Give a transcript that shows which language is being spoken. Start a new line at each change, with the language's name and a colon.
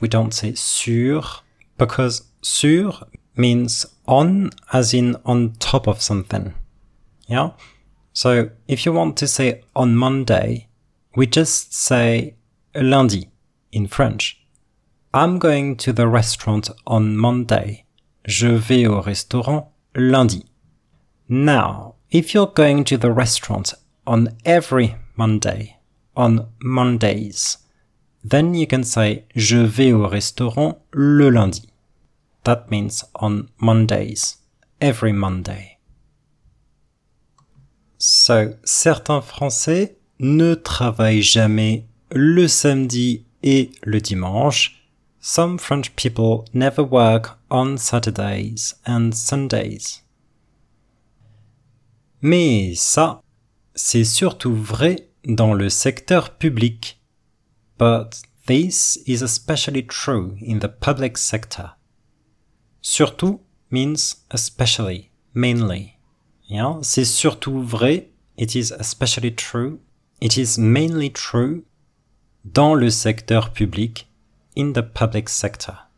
English: We don't say sur, because sur means on, as in on top of something. Yeah? So if you want to say on Monday, we just say lundi in French. I'm going to the restaurant on Monday.
French: Je vais au restaurant lundi.
English: Now, if you're going to the restaurant on every Monday, on Mondays, then you can say
French: je vais au restaurant le lundi.
English: That means on Mondays, every Monday.
French: So, certains Français ne travaillent jamais le samedi et le dimanche.
English: Some French people never work on Saturdays and Sundays.
French: Mais ça, c'est surtout vrai dans le secteur public.
English: But this is especially true in the public sector. Surtout means especially, mainly. Yeah,
French: c'est surtout vrai
English: it is especially true, it is mainly true,
French: dans le secteur public,
English: in the public sector.